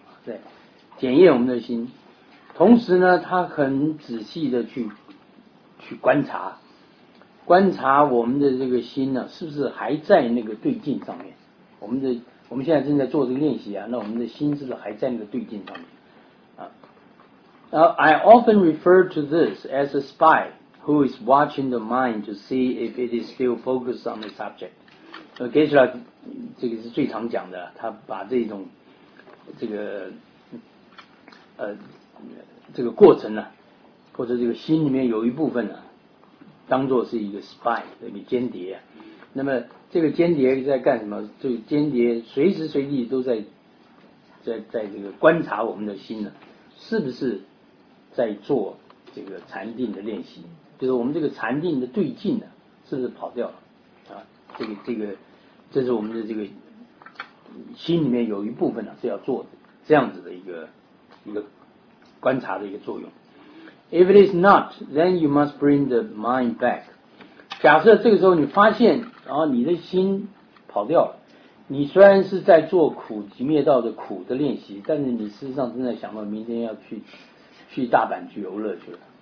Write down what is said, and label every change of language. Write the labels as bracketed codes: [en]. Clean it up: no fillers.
[zh] 对，检验我们的心。同时呢，他很仔细的去观察。观察我们的这个心呢、啊，是不是还在那个对境上面？我们现在正在做这个练习啊，那我们的心是不是还在那个对境上面？ [en] 啊 ，I often refer to this as a spy who is watching the mind to see if it is still focused on the subject. [zh] Geshe-la 这个是最常讲的，他把这个过程呢、啊，或者这个心里面有一部分呢、啊。当作是一个 spy， 一个间谍。那么这个间谍在干什么？这个间谍随时随地都在这个观察我们的心呢，是不是在做这个禅定的练习？就是我们这个禅定的对境呢，是不是跑掉了？啊，这个，这是我们的这个心里面有一部分呢是要做的这样子的一个观察的一个作用。 [en] If it is not, then you must bring the mind back. [zh] 假设这个时候你发现，然后你的心跑掉了，你虽然是在做苦集灭道的苦的练习，但是你事实上正在想到明天要去大阪去游乐去了。